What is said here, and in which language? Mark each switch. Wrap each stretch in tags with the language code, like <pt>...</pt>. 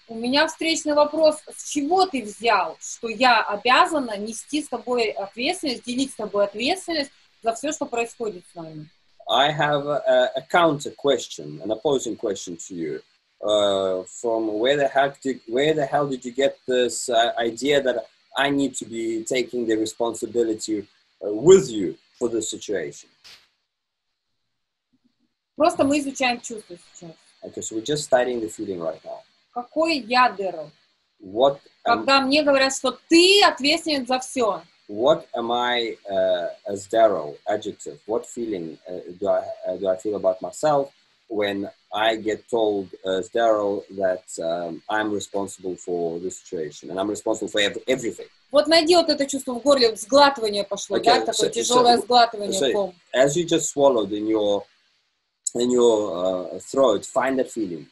<ru>У меня встречный вопрос: с чего ты взял, что я обязана нести с тобой ответственность, делить с тобой ответственность за все, что происходит с нами?</ru> <en>I have a counter question, an opposing question to you. From where the hell did you get this idea that I need to be taking the responsibility with you for the situation?</en> <ru>Просто мы изучаем чувства сейчас.</ru> <en>Okay, so we're just studying the feeling right now.</en> <ru>Какой я дыру?</ru> <en>What?</en> <ru>Когда мне говорят, что ты ответственен за все.</ru> <en>What am I as Daryl, adjective? What feeling do I feel about myself when I get told as Daryl that I'm responsible for the situation and I'm responsible for everything?</en> <ru>Вот найди вот это чувство в горле, сглатывание пошло, okay, да, такое so, тяжелое so, сглатывание.</ru> <en>So, as you just swallowed in your throat, find that feeling.</en>